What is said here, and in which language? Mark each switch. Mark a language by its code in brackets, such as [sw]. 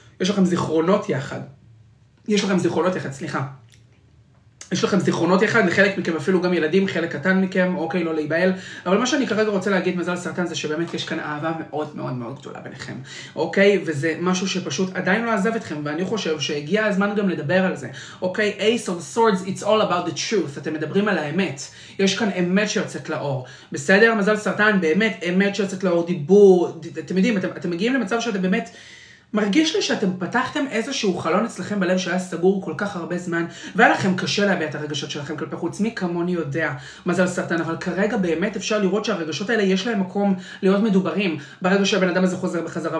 [he] יש לכם זיכרונות יחד. יש לכם זיכרונות יחד, סליחה. יש לכם זיכרונות יחד, לחלק מכם אפילו גם ילדים, חלק קטן מכם, אוקיי, לא להיבהל. אבל מה שאני כרגע רוצה להגיד מזל סרטן זה שבאמת יש כאן אהבה מאוד מאוד מאוד גדולה ביניכם. אוקיי, וזה משהו שפשוט עדיין לא עזב אתכם, ואני חושב שהגיע הזמן גם לדבר על זה. [en] אוקיי, Ace of Swords, it's all about the truth. [he] אתם מדברים על האמת. יש כאן אמת שיוצאת לאור. בסדר, מזל סרטן, באמת אמת שיוצאת לאור, דיבור. אתם יודעים, אתם מגיעים למצב שאתם באמת... מרגיש לי שאתם פתחתם איזשהו חלון אצלכם בלב שהיה סגור כל כך הרבה זמן, והיה לכם קשה להביע את הרגשות שלכם כלפי חוץ. מי כמוני יודע מזל סרטן, אבל כרגע באמת אפשר לראות שהרגשות האלה יש להם מקום להיות מדוברים ברגע שהבן אדם הזה חוזר בחזרה.